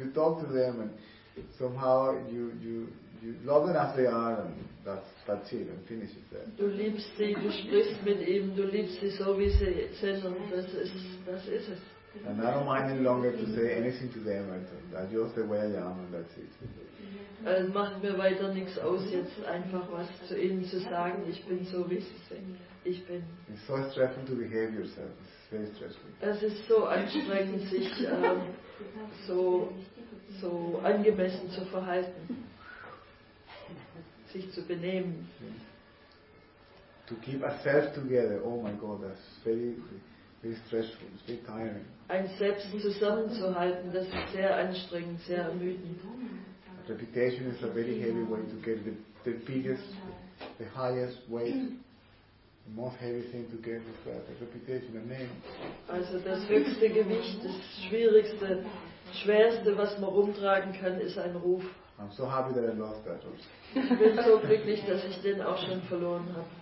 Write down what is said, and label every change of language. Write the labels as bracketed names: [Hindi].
[English] You talk to them, and somehow you love them as they are, and that's it, and finish it there. [German] Du liebst sie. Du sprichst mit ihm. Du liebst sie so wie sie sind, und das ist es. [English] And I don't mind any longer to say anything to them. I just say where I am, and that's it. [German] Es macht mir weiter nichts aus, jetzt einfach was zu ihnen zu sagen. Ich bin so, wie sie sind. Ich bin. [English] It's so stressful to behave yourself. It's very stressful. [German] Es ist so anstrengend, sich so angemessen zu verhalten, sich zu benehmen. [English] To keep ourselves together. Oh my God, that's very stressful. It's very tiring. [German] Ein Selbst zusammenzuhalten, das ist sehr anstrengend, sehr ermüdend. [English] Reputation is a very heavy weight to get, the biggest, the highest weight, the most heavy thing to get is the reputation, the name. [German] Also das höchste Gewicht, das schwierigste, schwerste, was man rumtragen kann, ist ein Ruf. [English] I'm so happy that I lost that also. [German] Ich bin so glücklich, dass ich den auch schon verloren habe.